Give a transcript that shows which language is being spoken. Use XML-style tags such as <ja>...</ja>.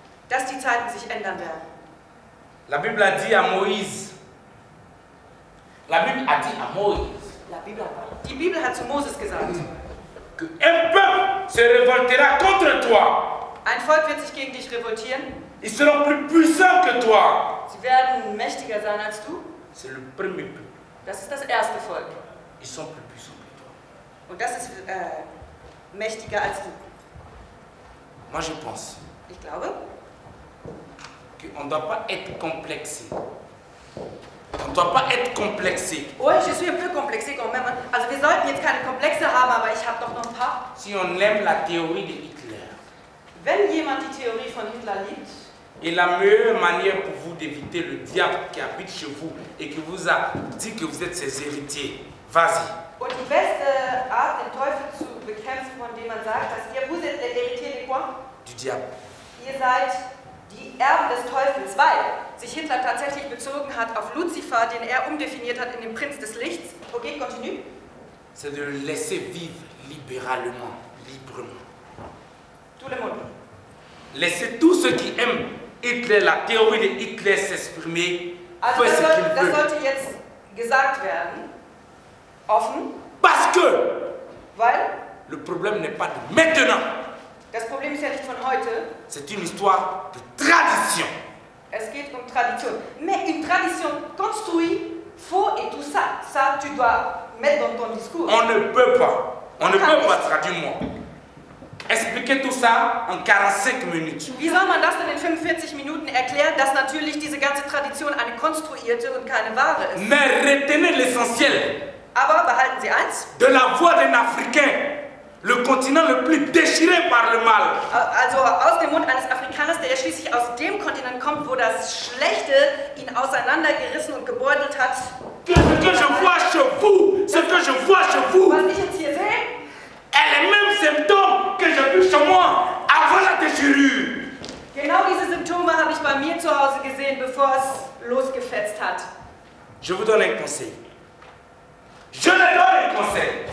<de>Dass die Zeiten sich ändern werden.</de> <fr>La Bible a dit à Moïse. La Bible a dit à Moïse. La Bible a parlé.</fr> <de>Die Bibel hat zu Moses gesagt,</de> <fr>que un peuple se révoltera contre toi.</fr> <de>Ein Volk wird sich gegen dich revoltieren.</de> <fr>Ils seront plus puissants que toi.</fr> <de>Sie werden mächtiger sein als du.</de> <fr>C'est le premier peuple.</fr> <de>Das ist das erste Volk.</de> <fr>Ils sont plus puissants que toi.</fr> <de>Und das ist mächtiger als du.</de> <fr>Moi, je pense.</fr> <de>Ich glaube,</de> <fr>qu'on ne doit pas être complexé. On ne doit pas être complexé. Oui, je suis un peu complexé quand même.</fr> <de>Also, wir sollten jetzt keine Komplexe haben, aber ich habe doch noch ein paar.</de> <fr>Si on aime la théorie de Hitler.</fr> <de>Wenn jemand die Theorie von Hitler liebt.</de> <fr>Et la meilleure manière pour vous d'éviter le diable qui habite chez vous et qui vous a dit que vous êtes ses héritiers. Vas-y.</fr> <de>Und die beste Art, den Teufel zu bekämpfen, von dem man sagt, dass ihr,</de> <fr>vous êtes les héritiers de quoi? Du diable.</fr> <de>Ihr seid die Erben des Teufels, weil sich Hitler tatsächlich bezogen hat auf Lucifer, den er umdefiniert hat in den Prinz des Lichts.</de> <fr>Okay, continue. C'est de le laisser vivre libéralement, librement. Tout le monde. Laissez tous ceux qui aiment Hitler, la théorie de Hitler s'exprimer.</fr> <de>Also, das sollte jetzt gesagt werden. Offen.</de> <fr>Parce que.</fr> <de>Weil.</de> <fr>Le problème n'est pas de maintenant.</fr> <de>Das Problem ist ja nicht von heute.</de> <fr>C'est une histoire de tradition.</fr> <de>Es geht um Tradition.</de> <fr>Mais une tradition construite, faux et tout ça. Ça, tu dois mettre dans ton discours. On ne peut pas. On ne peut pas, traduis-moi. Expliquer tout ça en 45 minutes.</fr> <de>Wie soll man das denn in 45 Minuten erklären, dass natürlich diese ganze Tradition eine konstruierte und keine wahre ist?</de> <fr>Mais retenez l'essentiel.</fr> <de>Aber behalten Sie eins.</de> <fr>De la voix d'un Africain. Le continent le plus déchiré par le mal.</fr> <de>Also aus dem Mund eines Afrikaners, der ja schließlich aus dem Kontinent kommt, wo das Schlechte ihn auseinandergerissen und gebeutelt hat.</de> <fr>Ce que je vois chez vous.</fr> <de>Was ich jetzt hier sehe,</de> <fr>est le même symptôme que j'ai vu chez moi avant la déchirure.</fr> <de>Genau diese Symptome habe ich bei mir zu Hause gesehen, bevor es losgefetzt hat.</de> <fr>Je vous donne un conseil. Je vous donne un conseil.</fr>